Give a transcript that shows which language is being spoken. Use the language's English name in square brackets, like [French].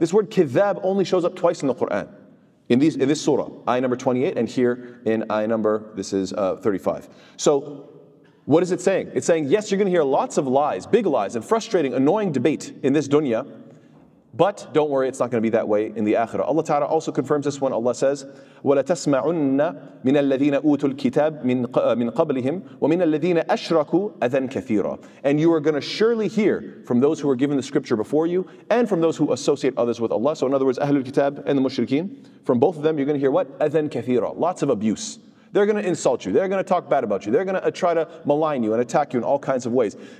[English] This word kithab only shows up twice in the Quran. In this surah, ayah number 28, and here in ayah number, this is 35. So what is it saying? It's saying, yes, you're going to hear lots of lies, big lies, and frustrating, annoying debate in this dunya, but don't worry, it's not going to be that way in the akhirah. Allah Ta'ala also confirms this when Allah says, [Arabic] وَلَتَسْمَعُنَّ مِنَ الَّذِينَ أُوتُوا الْكِتَابِ مِنْ قَبْلِهِمْ وَمِنَ الَّذِينَ أَشْرَكُوا أَذًا كَثِيرًا. [English] And you are going to surely hear from those who are given the scripture before you and from those who associate others with Allah. So in other words, Ahlul Kitab and the Mushrikeen, from both of them, you're going to hear what? [Arabic] أَذًا كَثِيرًا. [English] Lots of abuse. They're going to insult you. They're going to talk bad about you. They're going to try to malign you and attack you in all kinds of ways.